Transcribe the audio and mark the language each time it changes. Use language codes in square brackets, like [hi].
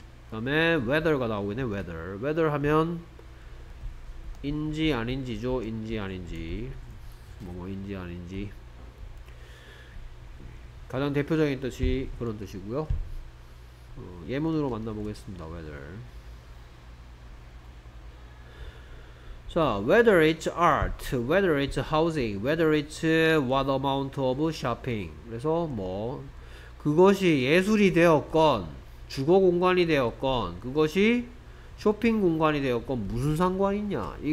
[ko] 그다음에 whether가 나오겠네. whether 하면 인지 아닌지죠. 인지 아닌지 뭐뭐인지 아닌지 가장 대표적인 뜻이 그런 뜻이고요. 예문으로 만나보겠습니다. [en] whether. 자, whether it's art, whether it's housing, whether it's what amount of shopping. [ko] 그래서 뭐 그것이 예술이 되었건 주거 공간이 되었건 그것이 쇼핑 공간이 되었건 무슨 상관이냐?